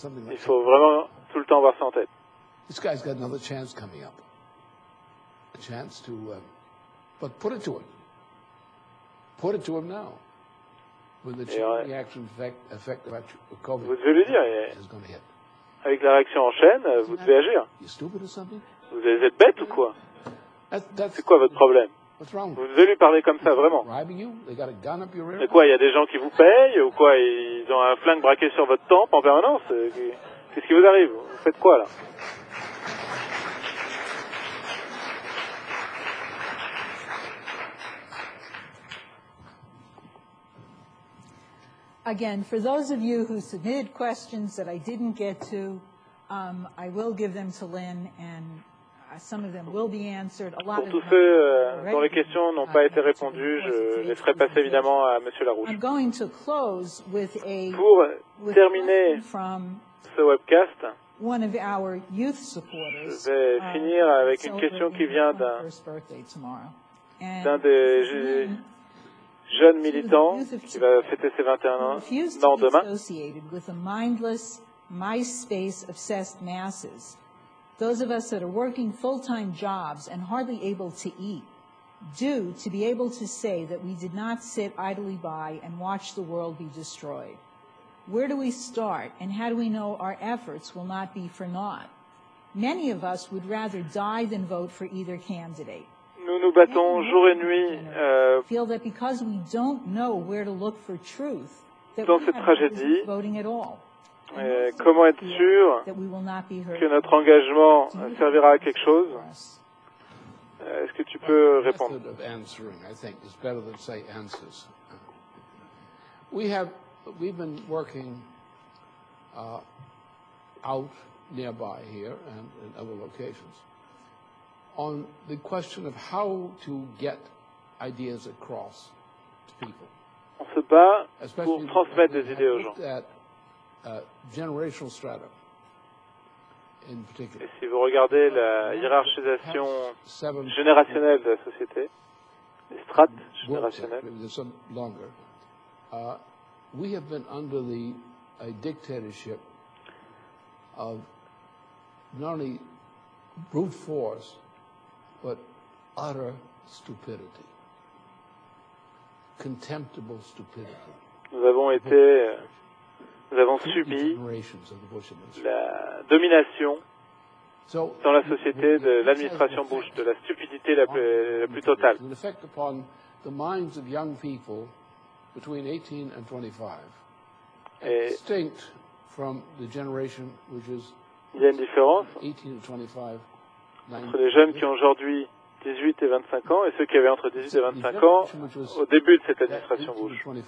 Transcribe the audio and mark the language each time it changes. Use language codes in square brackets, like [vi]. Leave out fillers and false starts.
[fr] Il faut vraiment tout le temps avoir ça en tête. [en] This guy's got another chance coming up. A chance to, but put it to him. Put it to him now. With the chain reaction effect of COVID. [fr] Vous devez lui dire. [en] Is going to hit. [fr] Avec la réaction en chaîne, vous devez agir. [en] You stupid or something? [fr] Vous êtes bête ou quoi? C'est quoi votre problème? [en] What's wrong? [fr] Vous devez lui parler comme ça vraiment. [en] Bribing you? They got a gun up your rear? [fr] C'est quoi? Il y a des gens qui vous payent ou quoi? Ils ont un flingue braqué sur votre tempe en permanence. Qu'est-ce qui vous arrive? Vous faites quoi là? [en] Again, for those of you who submitted questions that I didn't get to, I will give them to Lynn, and some of them will be answered. A lot [fr] pour tous ceux dont les questions n'ont pas été répondues, je les ferai passer évidemment à M. Larouche. [en] I'm going to close with a [fr] pour terminer from ce webcast, [en] one of our youth supporters, [fr] je vais finir avec une question qui vient d'un des jeune militant qui va fêter ses 21 ans non, demain. [en] Associated with the mindless MySpace obsessed masses, those of us that are working full-time jobs and hardly able to eat, do to be able to say that we did not sit idly by and watch the world be destroyed. Where do we start, and how do we know our efforts will not be for naught? Many of us would rather die than vote for either candidate. [fr] Nous nous battons jour et nuit dans cette tragédie. Comment être sûr que notre engagement servira à quelque chose? Est-ce que tu peux répondre? [en] We've been working out nearby here and in other locations on the question of how to get ideas across to people. [fr] On se bat pour transmettre des idées aux gens. [en] That, generational strata in particular. [fr] Et si vous regardez la hiérarchisation générationnelle de la société, les strates générationnelles, [en] we have been under a dictatorship of not only brute force, but utter stupidity, contemptible stupidity. [fr] Nous avons été, nous avons subi la domination dans la société de l'administration Bush, de la stupidité la plus totale. [en] In effect upon the minds of young people between 18 and 25, distinct from the generation which is. [fr] Il y a une différence entre les jeunes qui ont aujourd'hui 18 et 25 ans et ceux qui avaient entre 18 et 25 ans au début de cette administration Bush.